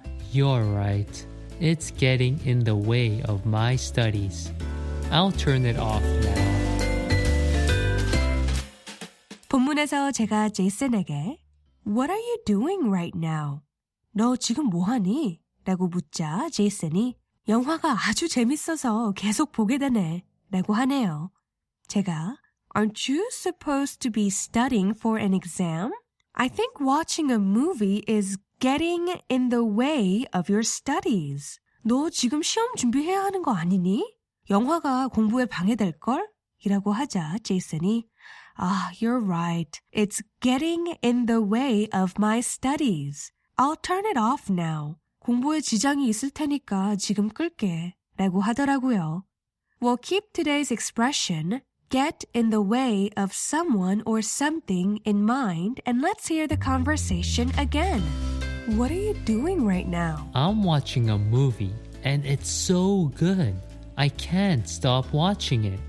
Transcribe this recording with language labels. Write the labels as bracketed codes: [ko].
[en] You're right. It's getting in the way of my studies. I'll turn it off now. [ko] 본문에서 제가 제이슨에게 [en] What are you doing right now? [ko] 너 지금 뭐 하니? 라고 묻자 제이슨이 영화가 아주 재밌어서 계속 보게 되네 라고 하네요. 제가 [en] Aren't you supposed to be studying for an exam? I think watching a movie is getting in the way of your studies. [ko] 너 지금 시험 준비해야 하는 거 아니니? 영화가 공부에 방해될걸? 이라고 하자 제이슨이 [en] you're right. It's getting in the way of my studies. I'll turn it off now. [ko] 공부에 지장이 있을 테니까 지금 끌게. 라고 하더라고요. [en] We'll keep today's expression, get in the way of someone or something in mind, and let's hear the conversation again. What are you doing right now? I'm watching a movie, and it's so good. I can't stop watching it.